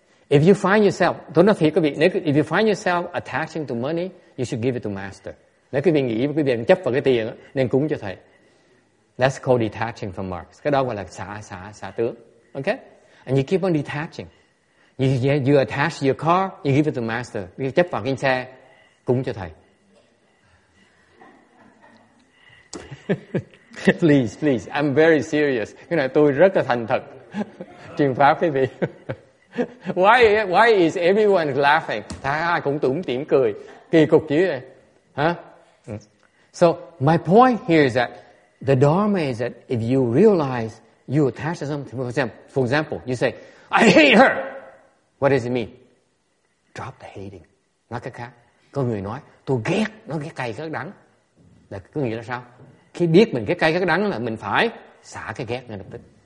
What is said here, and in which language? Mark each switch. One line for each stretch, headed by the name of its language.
English: If you find yourself, don't know if you could be, if you find yourself attaching to money, you should give it to master.
Vietnamese: Nếu quý vị nghĩ quý vị đang chấp vào cái tiền nên cúng cho thầy.
English: That's called detaching from marks.
Vietnamese: Cái đó gọi là xả tướng.
English: Okay? And you keep on detaching. You attach your car, you give it to master.
Vietnamese: You chấp vào cái xe, cúng cho thầy.
English: please, I'm very serious.
Vietnamese: Cái này tôi rất là thành thật. Truyền pháp quý vị.
English: Why is everyone laughing?
Vietnamese: Ai cũng tủm tỉm cười. Kỳ cục chứ. Huh?
English: So, my point here is that the Dharma is that if you realize you attach to something, for example, you say, I hate her. What does it mean? Drop the hating.
Vietnamese: Nói cái khác. Có người nói, tôi ghét, nó ghét cay ghét đắng. Là cứ nghĩ là sao? Khi biết mình cái cay cái đắng là mình phải xả cái ghét ngay lập tức.